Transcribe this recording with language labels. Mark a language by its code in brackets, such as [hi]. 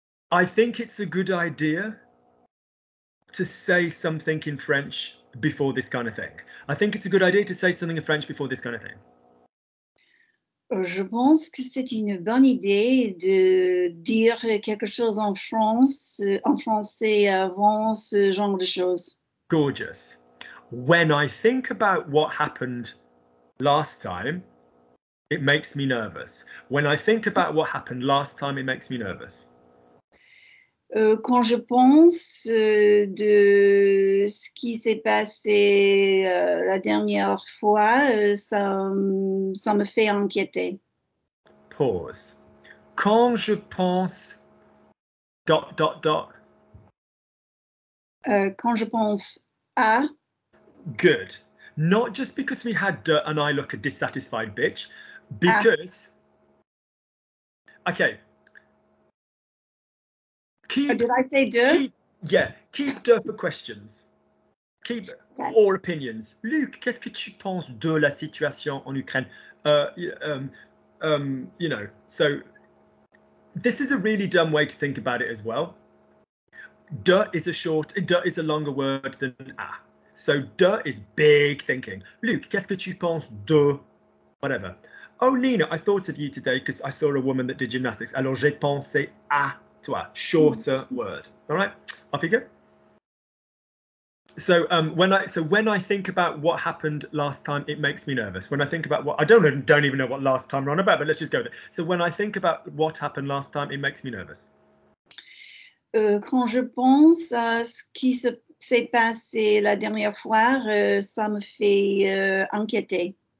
[en] I think it's a good idea to say something in French before this kind of thing. I think it's a good idea to say something in French before this kind of thing. [fr] Je pense que c'est une bonne idée de dire quelque chose en français avant ce genre de choses. [en] gorgeous. When I think about what happened last time, it makes me nervous. When I think about what happened last time, it makes me nervous. [fr] Quand je pense de ce qui s'est passé la dernière fois, ça me fait inquiéter. [en] Pause. [fr] Quand je pense... [en] dot, dot, dot. [fr] Quand je pense à... [en] Good. Not just because we had dirt and I look a dissatisfied bitch, because... À. Okay. Keep de for questions. Keep all opinions. [fr] Luke, qu'est-ce que tu penses de la situation en Ukraine? [en] You know, so this is a really dumb way to think about it as well. De is a short, de is a longer word than a. So de is big thinking. [fr] Luke, qu'est-ce que tu penses de whatever? [en] Oh, Nina, I thought of you today because I saw a woman that did gymnastics. [fr] Alors, j'ai pensé à... [en] to a shorter word. All right, off you go. So when I think about what happened last time, it makes me nervous. When I think about what, I don't even know what last time we're on about, but let's just go with it. So when I think about what happened last time, it makes me nervous. [fr] Quand je pense à ce qui s'est passé la dernière fois, ça me fait inquiéter.